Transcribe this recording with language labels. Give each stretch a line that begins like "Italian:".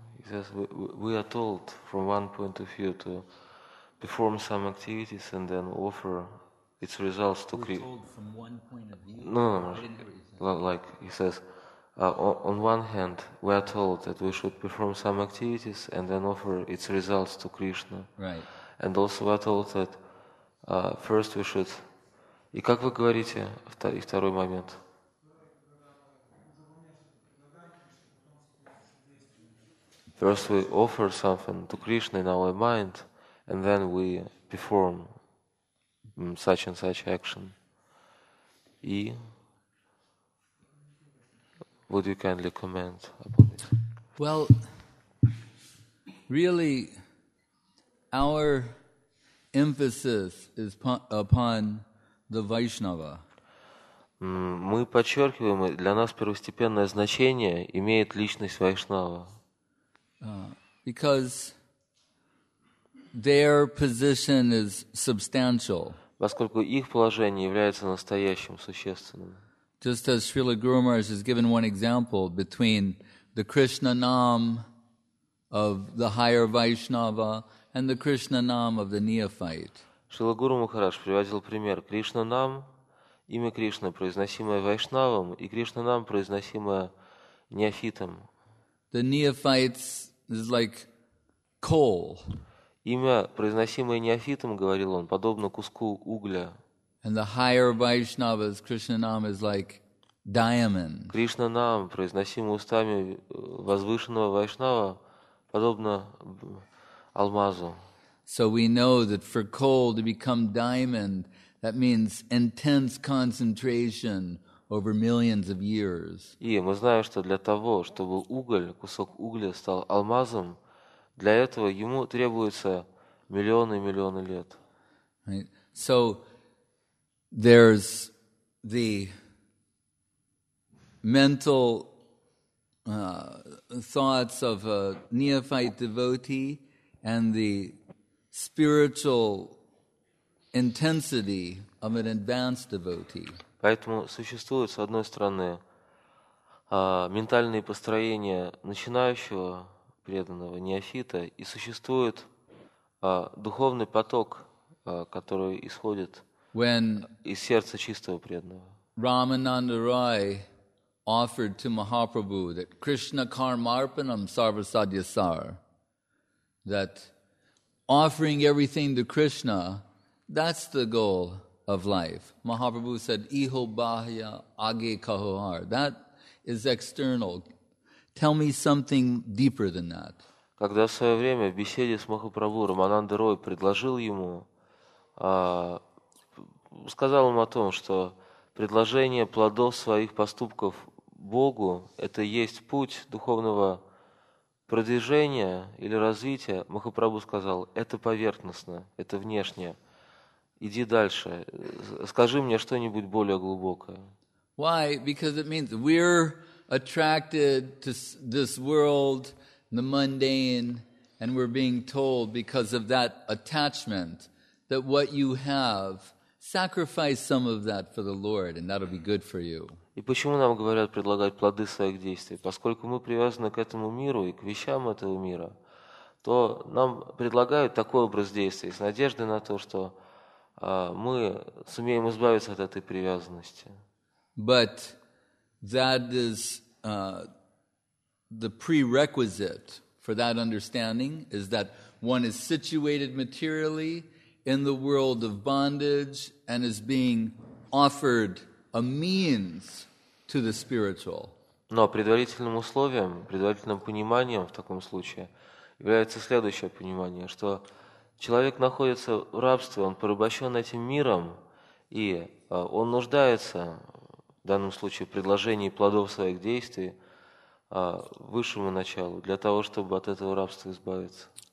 English: Yes, we are told from one point of view to perform some activities and then offer its results to Krishna. We're told from one point of view? Like he says, on one hand, we are told that we should perform some activities and then offer its results to Krishna. Right. And also we are told that first we should...
Russian: И как вы говорите, и второй момент...
English: First we offer something to Krishna in our mind, and then we perform such and such action.
Russian: И
English: would you kindly comment upon this? Well, really, our emphasis is upon the Vaishnava.
Russian: Мы подчеркиваем, для нас первостепенное значение имеет личность Вайшнава.
English: Because their position is substantial.
Russian: Поскольку их положение является настоящим, существенным.
English: Just as Srila Guru Maharaj has given one example between the Krishna Nam of the higher Vaishnava and the Krishna Nam of the neophyte.
Russian: Шрила Гуру Махарадж приводил пример Кришна Нам, имя Кришны, произносимое Вайшнавом, и Кришна Нам, произносимое неофитом.
English: The neophytes is like coal.
Russian: Имя, произносимое неофитом, говорил он, подобно куску угля.
English: And the higher Vaishnavas, Krishna Nam, is like diamond.
Russian: Кришна Нам, произносимое устами возвышенного Вайшнава, подобно алмазу.
English: So we know that for coal to become diamond, that means intense concentration over millions of years.
Russian: И мы знаем, что для того, чтобы уголь, кусок угля стал алмазом, для этого ему требуется миллионы и миллионы лет.
English: Right. So there's the mental thoughts of a neophyte devotee and the spiritual intensity of an advanced devotee.
Russian: Поэтому существуют, с одной стороны, ментальные построения начинающего преданного неофита, и существует духовный поток, который исходит из сердца чистого преданного.
English: Рамананда Рай offered to Mahaprabhu that Krishna Karmarpanam Sarvasadhyasar, that offering everything to Krishna, that's the goal of life. Mahaprabhu said,
Bangla: Iho bahya age kahohar.
English: That is external. Tell me something deeper than that.
Russian: Когда в свое время в беседе с Махапрабху Рамананда Рой предложил ему, сказал ему о том, что предложение плодов своих поступков Богу – это есть путь духовного продвижения или развития, Махапрабху сказал, это поверхностно, это внешнее. Иди дальше. Скажи мне что-нибудь более глубокое.
English: Why? Because it means we're attracted to this world, the mundane, and we're being told because of that attachment that what you have, sacrifice some of that for the Lord, and that'll be good for you.
Russian: И почему нам говорят предлагать плоды своих действий? Поскольку мы привязаны к этому миру и к вещам этого мира, то нам предлагают такой образ действий с надеждой на то, что мы сумеем избавиться от этой привязанности.
English: But that is the prerequisite for that understanding is that one is situated materially in the world of bondage and is being offered a means to the spiritual.
Russian: Но предварительным условием, предварительным пониманием в таком случае является следующее понимание, что человек находится в рабстве, он порабощен этим миром, и он нуждается в данном случае в предложении плодов своих действий высшему началу для того, чтобы от этого рабства избавиться.